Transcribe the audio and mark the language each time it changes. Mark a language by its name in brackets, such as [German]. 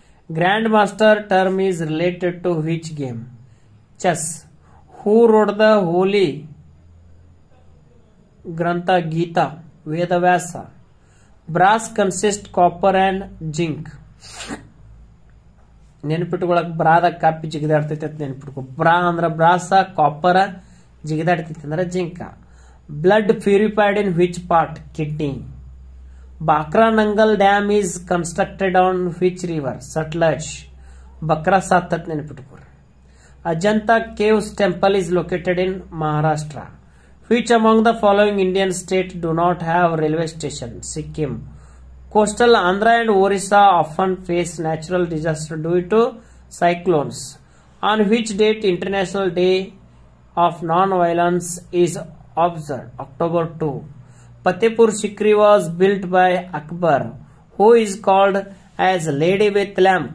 [English] Grandmaster term is related to which game? Chess. Who wrote the holy Grantha Gita? Vedavasa. Brass consists copper and zinc. [Kannada] ನೆನ್ಪಿಟ್ಕೊಳಕ್ ಬ್ರಾದ copy ಜಿಗಿದಾಡ್ತೈತೆ ಅಂತ ನೆನ್ಪಿಟ್ಕೋ. ಬ್ರಾ ಅಂದ್ರೆ ಬ್ರಾಸ, ಕಾಪರ ಜಿಗಿದಾಡ್ತೈತೆ ಅಂದ್ರೆ ಜಿಂಕ. [English] Blood purified in which part? Kidney. Bhakra Nangal dam is constructed on which river? Sutlej. [Kannada] ಬಕ್ರಾ ಸಾತ್ ಅಂತ ನೆನ್ಪಿಟ್ಕೋರಿ. [English] Ajanta caves temple is located in Maharashtra. Which among the following Indian state do not have railway station? Sikkim. Coastal Andhra and Orissa often face natural disasters due to cyclones. On which date International Day of Non-Violence is observed? October 2. Patipur Sikri was built by Akbar, who is called as Lady with Lamp?